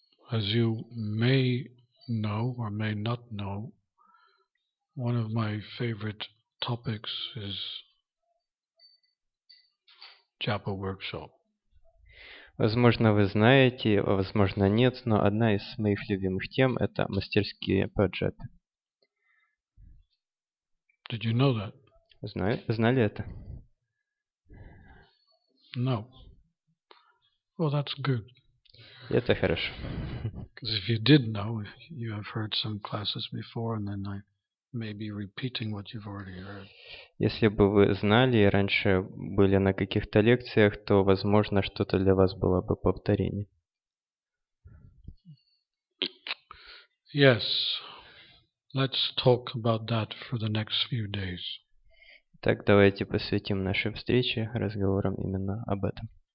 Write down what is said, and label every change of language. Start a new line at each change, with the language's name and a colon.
English: As you may know or may not know, one of my favorite topics is Japa workshop.
Russian: Возможно, вы знаете, возможно, нет, но одна из моих любимых тем – это мастерские по джапе.
English: Did you know that?
Russian: Знали это?
English: No. Well, that's good.
Russian: Это хорошо.
English: Because if you did know, you have heard some classes before, and then I may be repeating what you've already heard.
Russian: Если бы вы знали и раньше были на каких-то лекциях, то, возможно, что-то для вас было бы повторение.
English: Yes. Let's talk about that for the next few days.
Russian: Так, давайте посвятим наши встречи разговорам именно об этом.